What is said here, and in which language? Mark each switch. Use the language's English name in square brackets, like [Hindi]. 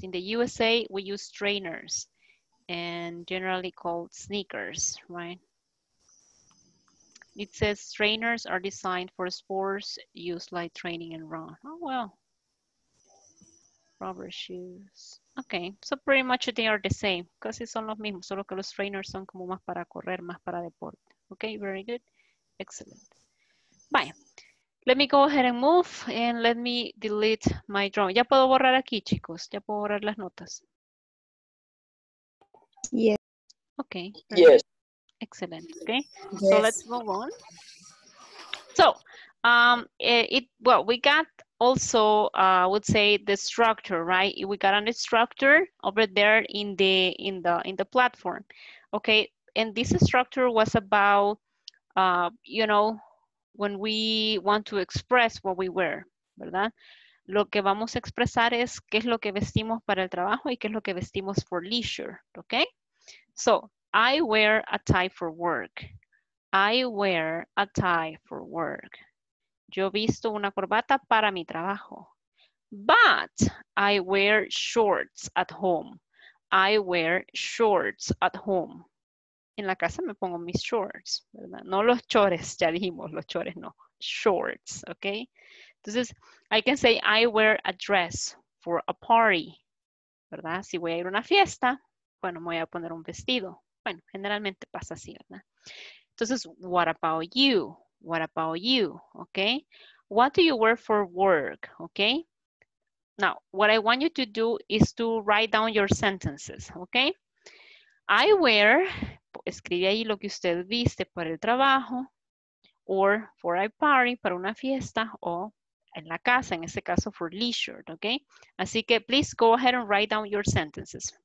[English] In the USA, we use trainers and generally called sneakers, right? It says trainers are designed for sports used like training and run. Oh, well, rubber shoes. Okay, so pretty much they are the same. [Spanish] Casi son los mismos, solo que los trainers son como más para correr, más para deporte. [English] Okay, very good. Excellent. Bye. Let me go ahead and move and let me delete my drawing. [Spanish] ¿Ya puedo borrar aquí, chicos? ¿Ya puedo borrar las notas? [English] Yes. Okay. Yes. Excellent. Okay. Yes. So let's move on. So, we got also, I would say the structure, right? We got a structure over there in the platform. Okay. And this structure was about, you know, when we want to express what we wear, [Spanish] ¿verdad? Lo que vamos a expresar es qué es lo que vestimos para el trabajo y qué es lo que vestimos [English] for leisure. Okay. So, I wear a tie for work. I wear a tie for work. [Spanish] Yo visto una corbata para mi trabajo. [English] But I wear shorts at home. I wear shorts at home. [Spanish] En la casa me pongo mis shorts, ¿verdad? No los chores, ya dijimos, los chores no. [English] Shorts, ¿ok? [Spanish] Entonces, [English] I can say I wear a dress for a party, [Spanish] ¿verdad? Si voy a ir a una fiesta, bueno, me voy a poner un vestido. Bueno, generalmente pasa así, ¿verdad? Entonces, [English] what about you? What about you? ¿Ok? What do you wear for work? ¿Ok? Now, what I want you to do is to write down your sentences, ¿ok? I wear, [Spanish] escribe ahí lo que usted viste por el trabajo, [English] or for a party, [Spanish] para una fiesta, o en la casa, en este caso, [English] for leisure, [Spanish] ¿ok? Así que, [English] please go ahead and write down your sentences.